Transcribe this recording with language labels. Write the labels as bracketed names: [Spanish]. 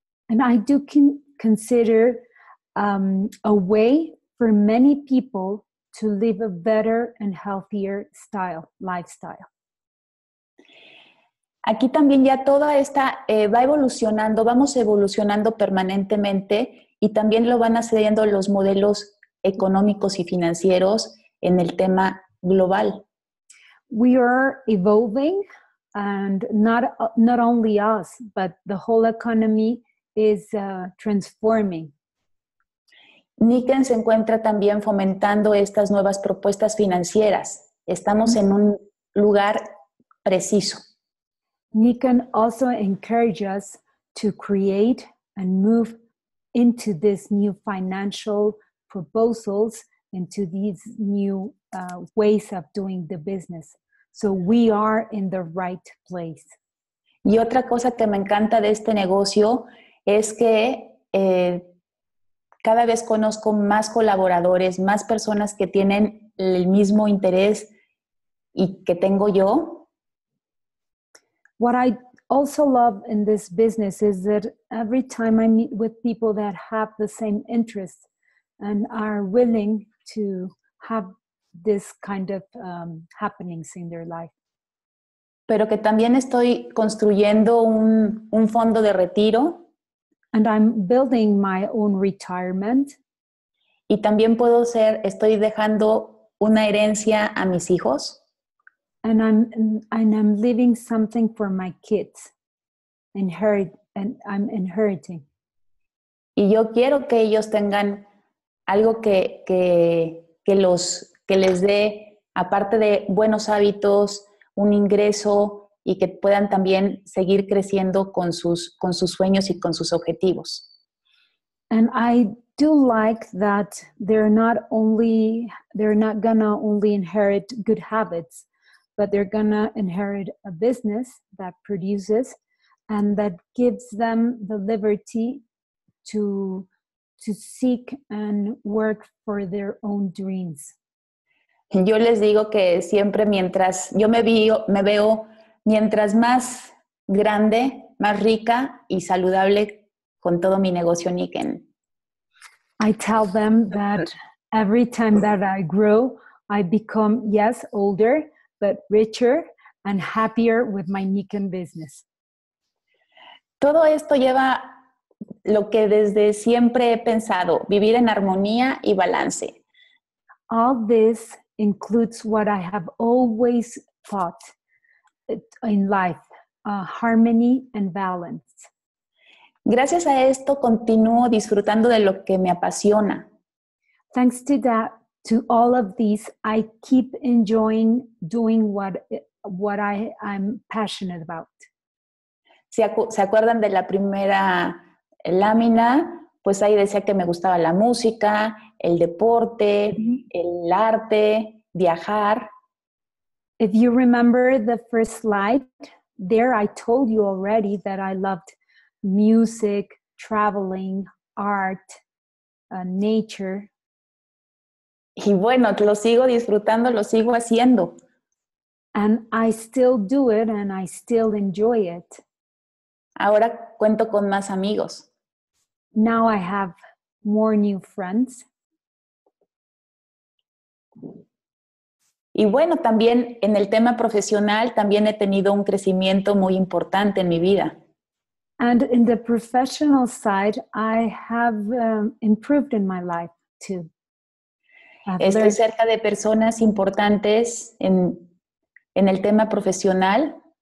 [English] And I do consider a way for many people to live a better and healthier style, lifestyle. [Spanish] Aquí también ya toda esta va evolucionando, vamos evolucionando permanentemente y también lo van haciendo los modelos económicos y financieros en el tema global. [English] We are evolving, and not only us, but the whole economy is transforming. [Spanish] Niken se encuentra también fomentando estas nuevas propuestas financieras. Estamos en un lugar preciso. [English] Niken also encourages to create and move into this new financial proposals, into these new ways of doing the business. So we are in the right place. [Spanish] Y otra cosa que me encanta de este negocio es que cada vez conozco más colaboradores, más personas que tienen el mismo interés y que tengo yo. [English] What I also love in this business is that every time I meet with people that have the same interests and are willing to have this kind of happenings in their life. [Spanish] Pero que también estoy construyendo un fondo de retiro. [English] And I'm building my own retirement. [Spanish] Y también puedo ser, estoy dejando una herencia a mis hijos. [English] And I'm leaving something for my kids. I'm inheriting. [Spanish] Y yo quiero que ellos tengan algo que les dé, aparte de buenos hábitos, un ingreso y que puedan también seguir creciendo con sus sueños y con sus objetivos. [English] And I do like that they're not gonna only inherit good habits, but they're gonna inherit a business that produces and that gives them the liberty to seek and work for their own dreams. [Spanish] Yo les digo que siempre mientras yo me veo mientras más grande, más rica y saludable con todo mi negocio Niken. [English] I tell them that every time that I grow, I become, yes, older, but richer and happier with my Niken business. [Spanish] Todo esto lleva lo que desde siempre he pensado, vivir en armonía y balance. [English] All this includes what I have always thought, in life, harmony and balance. [Spanish] Gracias a esto, continúo disfrutando de lo que me apasiona. [English] Thanks to that, to all of these, I keep enjoying doing what I'm passionate about. [Spanish] ¿Se acuerdan de la primera lámina? Pues ahí decía que me gustaba la música, el deporte, el arte, viajar. [English] If you remember the first slide, there I told you already that I loved music, traveling, art, nature. [Spanish] Y bueno, lo sigo disfrutando, lo sigo haciendo. [English] And I still do it and I still enjoy it. [Spanish] Ahora cuento con más amigos. [English] Now I have more new friends. [Spanish] Y bueno, también en el tema profesional también he tenido un crecimiento muy importante en mi vida. [English] And in the professional side, I have improved in my life too. [Spanish] Estoy cerca de personas importantes en el tema profesional.